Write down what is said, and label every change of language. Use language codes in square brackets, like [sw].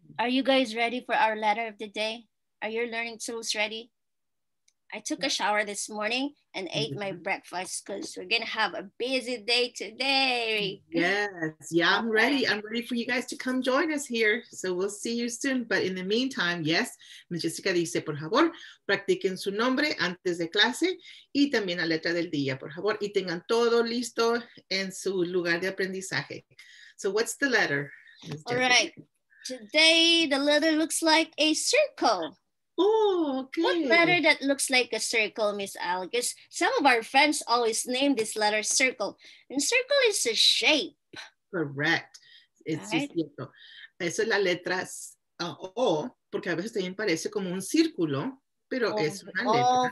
[en] Are you guys ready for our letter of the day? Are your learning tools ready? I took a shower this morning and ate my breakfast because we're going to have a busy day today. Yes. Yeah, I'm ready. I'm ready for you guys to come join us here. So we'll see you soon. But in the meantime, yes, Ms. [es] Jessica dice, por favor, practiquen su nombre antes de clase y también la letra del día, por favor. Y tengan todo listo en su lugar de aprendizaje. [en] So what's the letter, Ms. Jessica? All right. Today, the letter looks like a circle. Oh, okay. What letter that looks like a circle, Miss Alagus? Some of our friends always name this letter circle. And circle is a shape. Correct. It's right. [es] Esa es la letra O, porque a veces también parece como un círculo, pero es una letra.